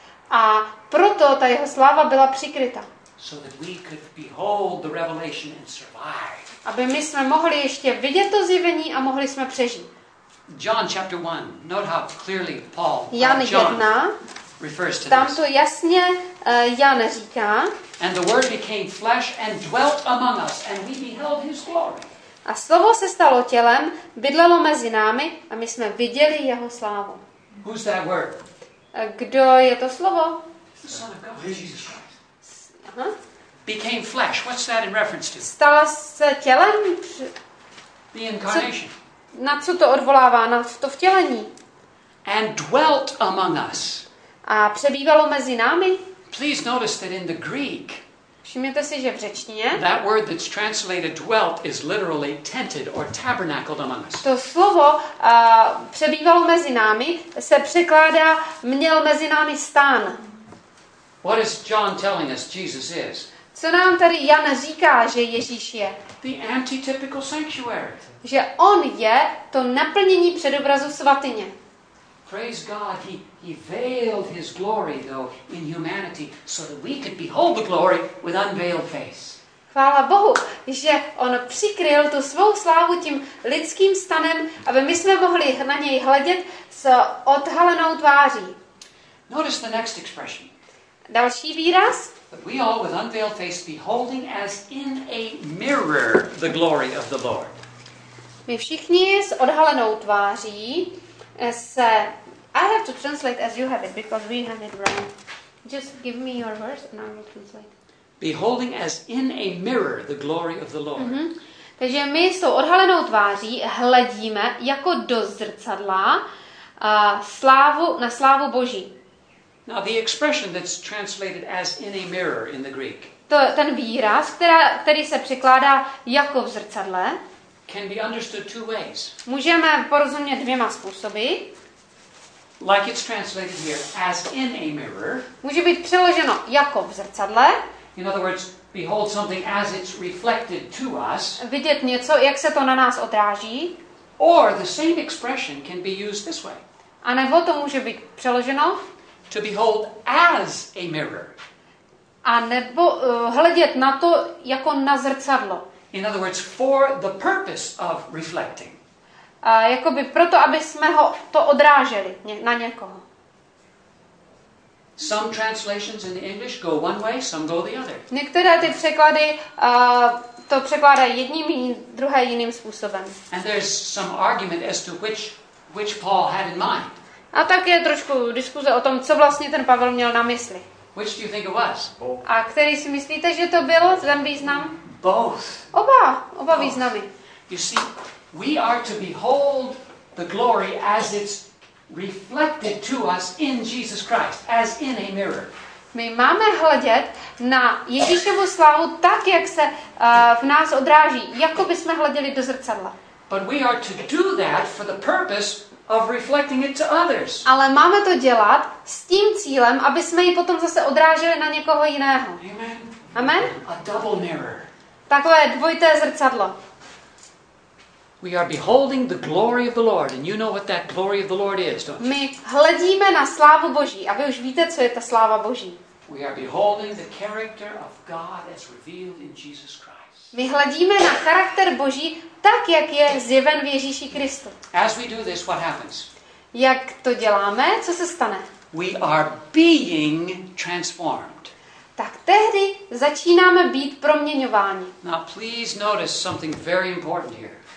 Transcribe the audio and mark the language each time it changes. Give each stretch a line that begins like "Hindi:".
Czech: A proto ta jeho sláva byla přikryta.
English: So that we could behold the revelation and survive.
Czech: Aby my jsme mohli ještě vidět to zjevení a mohli jsme přežít.
English: John chapter 1. Note how clearly Paul.
Czech: Jan 1.
English: Refers to this.
Czech: Tam to jasně Jan říká.
English: And the word became flesh and dwelt among us and we beheld his glory.
Czech: A slovo se stalo tělem, bydlelo mezi námi a my jsme viděli jeho slávu.
English: Who's that word?
Czech: Kdo je to slovo?
English: Son of God. Jesus. Huh? Became flesh. What's that in reference to?
Czech: Stala se tělem.
English: The incarnation.
Czech: Na co to odvolává? Na to vtělení.
English: And dwelt among us.
Czech: A přebývalo mezi námi.
English: Please notice that in the Greek.
Czech: Všimněte si, že v řečtině.
English: That word that's translated dwelt is literally tented or tabernacled among us.
Czech: To slovo přebývalo mezi námi se překládá měl mezi námi stán.
English: What is John telling us Jesus is?
Czech: Co nám tady Jan říká, že Ježíš je?
English: The antitypical sanctuary.
Czech: Že on je to naplnění předobrazu svatyně.
English: Praise God, he veiled his glory though in humanity so that we could behold the glory with unveiled face.
Czech: Chvála Bohu, že on přikryl tu svou slávu tím lidským stanem, aby my jsme mohli na něj hledět s odhalenou tváří.
English: Notice the next expression.
Czech: Další výraz.
English: But we all with unveiled face beholding as in a mirror the glory of the Lord.
Czech: My všichni s odhalenou tváří se,
English: I have to translate as you have it because we have it wrong. Just give me your verse and I will translate. Beholding as in a mirror the glory of the Lord. Mm-hmm.
Czech: Takže my s odhalenou tváří hledíme jako do zrcadla slávu na slávu Boží.
English: Now the expression that's translated as in a mirror in the Greek.
Czech: To ten výraz, který se překládá jako v zrcadle.
English: Can be understood two ways.
Czech: Můžeme porozumět dvěma způsoby.
English: Like it's translated here as in a mirror.
Czech: Může být přeloženo jako v zrcadle.
English: In other words, behold something as it's reflected to us.
Czech: Vidět něco, jak se to na nás odráží.
English: Or the same expression can be used this way.
Czech: A nebo to může být přeloženo
English: to behold as a mirror.
Czech: A nebo hledět na to jako na zrcadlo.
English: In other words, for the purpose of reflecting.
Czech: Jakoby proto, aby jsme ho to odráželi na někoho.
English: Some translations in English go one way, some go the other.
Czech: Některé ty překlady to překládají jedním, druhé jiným způsobem.
English: And there's some argument as to which Paul had in mind.
Czech: A tak je trošku diskuze o tom, co vlastně ten Pavel měl na mysli.
English: Which do you think it was?
Czech: A který si myslíte, že to bylo ten význam?
English: Both.
Czech: Oba významy.
English: You see, we are to behold the glory as it's reflected to us in Jesus Christ, as in a mirror.
Czech: My máme hledět na Ježíšovu slávu tak, jak se v nás odráží, jako by jsme hleděli do zrcadla.
English: But we are to do that for the purpose of reflecting it to others.
Czech: Ale máme to dělat s tím cílem, aby jsme ji potom zase odráželi na někoho jiného.
English: Amen.
Czech: Amen.
English: A double mirror.
Czech: Takové dvojité zrcadlo.
English: We are beholding the glory of the Lord, and you know what that glory of the Lord is, don't you?
Czech: My hledíme na slávu Boží, a vy už víte, co je ta sláva Boží.
English: We are beholding the character of God as revealed in Jesus Christ.
Czech: My hledíme na charakter Boží tak, jak je zjeven v Ježíši Kristu.
English: As we do this, what happens?
Czech: Jak to děláme, co se stane?
English: We are being transformed.
Czech: Tak tehdy začínáme být proměňováni.
English: Now please notice something very important here.